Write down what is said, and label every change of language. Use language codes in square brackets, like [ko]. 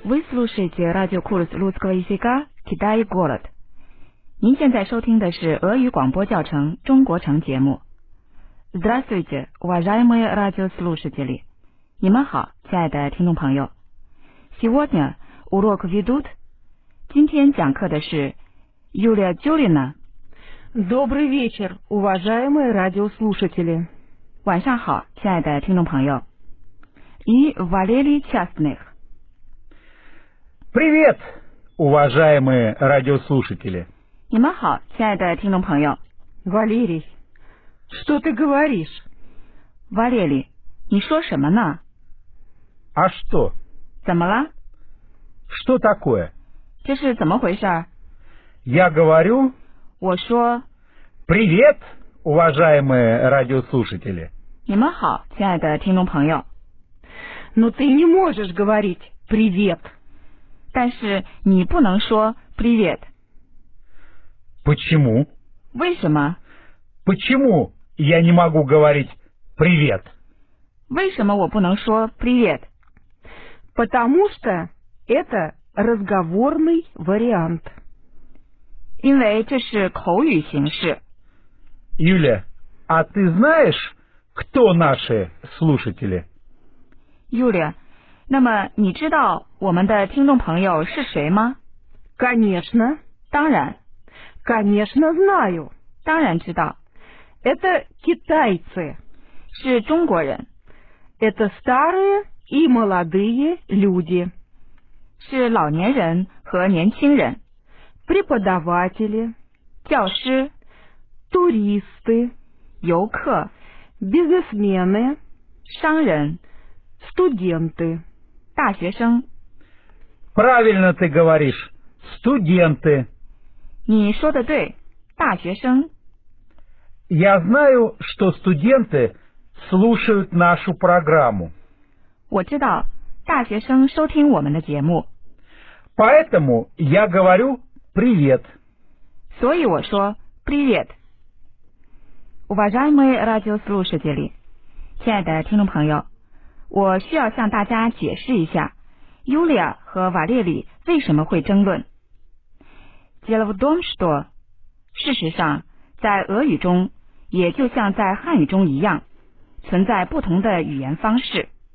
[ru] Слушайте радио курс русского языка Китай город. [zh] 您现在收听的是俄语广播教程中国城节目。 [ru] Здравствуйте, уважаемые радиослушатели. [zh] 你们好，亲爱的听众朋友。 [ru] Сегодня урок ведут. [zh] 今天讲课的是 Юлия Джулина. [ru] Добрый вечер, уважаемые радиослушатели. [zh] 晚上好，亲爱的听众朋友。 [ru] И Валерий Частных. Привет, уважаемые радиослушатели. [zh] 你们好，亲爱的听众朋友。 [ru] Валерий, что ты говоришь? [zh] Валерий, 你说什么呢? [ru] А что? [zh] 怎么了? [ru] Что такое? [zh] 这是怎么回事? [ru] Я говорю... [zh] 我说... [ru] Привет, уважаемые радиослушатели. [zh] 你们好，亲爱的听众朋友。 [ru] Но ты не можешь говорить «привет». [zh] 但是你不能说 привет. [ru] Почему? [zh] 为什么? [ru] Почему я не могу говорить привет? [zh] 为什么我不能说 привет? [ru] Потому что это разговорный вариант. [zh] 因为这是口语形式. [ru] Юля, а ты знаешь, кто наши слушатели? [zh] Юля, 那么你知道我们的听众朋友是谁吗? [ru] Конечно. [zh] 当然。 [ru] Конечно, знаю. [zh] 当然知道。 [ru] Это китайцы. [zh] 是中国人。 [ru] Это старые и молодые люди. [zh] 是老年人和年轻人。 [ru] Преподаватели. [zh] 教师。 [ru] Туристы. [zh] 游客。 [ru] Бизнесмены. [zh] 商人。 [ru] Студенты. [zh] 大学生。 [ru] Правильно ты говоришь, студенты. [zh] 你说的对，大学生。 [ru] Я знаю, что студенты слушают нашу программу. [zh] 我知道，大学生收听我们的节目。 [ru] Поэтому я говорю привет. [zh] 所以我说 привет. [ru] Уважаемые радиослушатели, [zh] 亲爱的听众朋友，我需要向大家解释一下。 Юлия 和瓦列里为什么会争论? [ru] Дело в том, что [zh] 事实上在俄语中也就像在汉语中一样存在不同的语言方式。